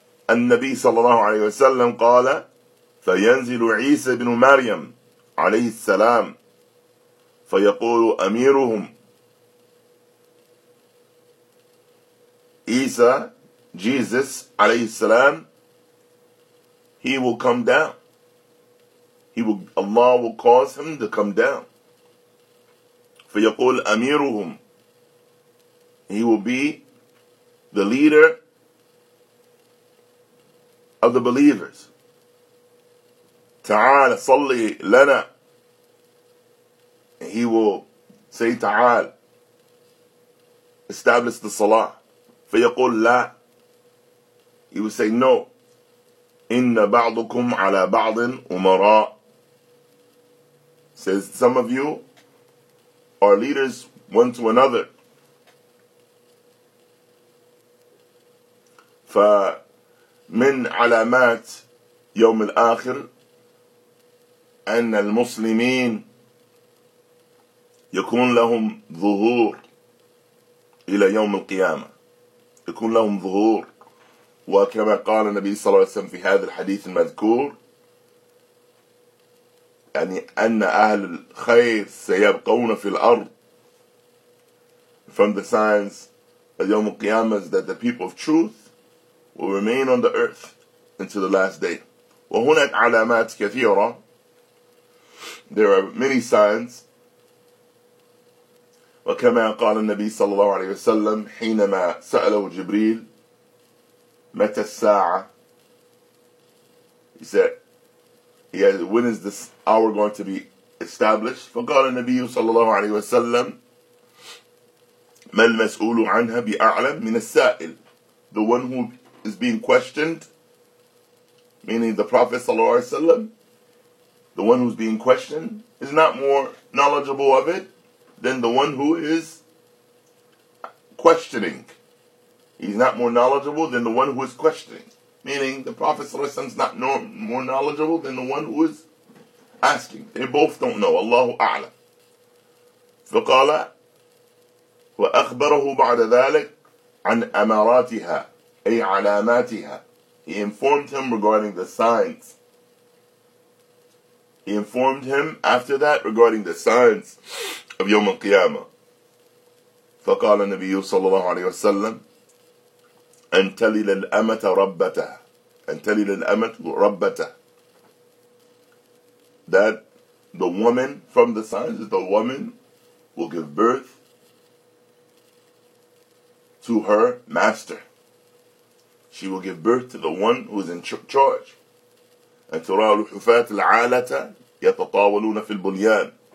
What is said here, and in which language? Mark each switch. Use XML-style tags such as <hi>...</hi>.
<ar>النبي صلى الله عليه وسلم قال فينزل عيسى بن مريم عليه السلام فيقول أميرهم.</ar> <en>عيسى, Jesus</en> <ar>عليه السلام,</ar> <en>he will come down. Allah will cause him to come down.</en> <ar>فيقول أميرهم,</ar> <en>he will be the leader of the believers.</en> <ar>تعال صلي لنا.</ar> <en>And he will say تعال, establish the salah.</en> <ar>فيقول لا,</ar> <en>he will say no.</en> <ar>إن بعضكم على بعض أمراء,</ar> <en>says some of you are leaders one to another.</en> <ar>ف من علامات يوم الآخر أن المسلمين يكون لهم ظهور إلى يوم القيامة, يكون لهم ظهور. وكما قال النبي صلى الله عليه وسلم في هذا الحديث المذكور, يعني أن أهل الخير سيبقون في الأرض.</ar> <en>From the signs of</en> <ar>يوم القيامة</ar> <en>is that the people of truth will remain on the earth until the last day.</en> <ar>وهناك علامات كثيرة.</ar> <en>There are many signs.</en> <ar>وكما قال النبي صلى الله عليه وسلم حينما سأله جبريل متى الساعة,</ar> <en>he said, yeah, when is this hour going to be established?</en> <ar>فقال النبي صلى الله عليه وسلم ما المسؤول عنها بأعلم من السائل.</ar> <en>The one who is being questioned, meaning the Prophet sallallahu alaihi wasallam, the one who's being questioned is not more knowledgeable of it than the one who is questioning. He's not more knowledgeable than the one who is questioning, meaning the Prophet sallallahu alaihi wasallam is not more knowledgeable than the one who is asking. They both don't know. Allahu a'lam.</en> <ar>فقال وأخبره بعد ذلك عن أماراتها أي علاماتها.</ar> <en>He informed him regarding the signs. He informed him after that regarding the signs of</en> <ar>يوم القيامة. فقال النبي صلى الله عليه وسلم أن تلي للأمة ربته. أن تلي للأمة ربته.</ar> <en>That the woman from the signs is the woman will give birth to her master. She will give birth to the one who is in charge.</en> <ar>أن ترى الحفاة العالة يتطاولون في البنيان.</ar>